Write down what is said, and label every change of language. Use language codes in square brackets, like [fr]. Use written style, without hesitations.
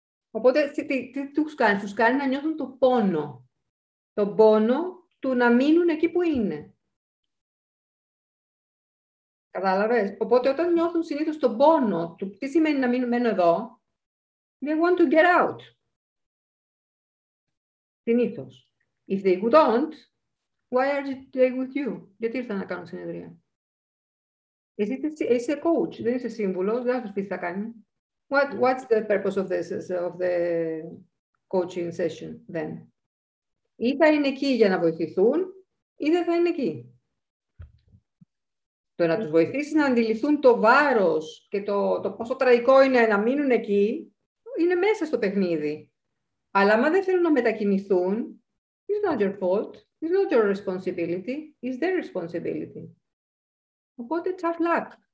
[el] Οπότε, τι τους κάνει. Τους κάνει να νιώθουν το πόνο. Το πόνο του να μείνουν εκεί που είναι. Κατάλαβες. Οπότε όταν νιώθουν συνήθως τον πόνο του τι σημαίνει να μένω εδώ, [en] they want to get out. [el] Συνήθως. [en] If they don't, why are they with you? [el] Γιατί ήρθαν να κάνουν συνεδρία. Εσύ είσαι coach, δεν είσαι σύμβουλος, δεν θα σου πει τι θα κάνει. [en] What's the purpose of this, of the coaching session then? [el] Ή θα είναι εκεί για να βοηθηθούν, ή δεν θα είναι εκεί. Το να τους βοηθήσει να αντιληφθούν το βάρος και το πόσο τραγικό είναι να μείνουν εκεί, είναι μέσα στο παιχνίδι. Αλλά άμα δεν θέλουν να μετακινηθούν, [en] it's not your fault, it's not your responsibility, it's their responsibility. [el] Οπότε, [en] tough luck.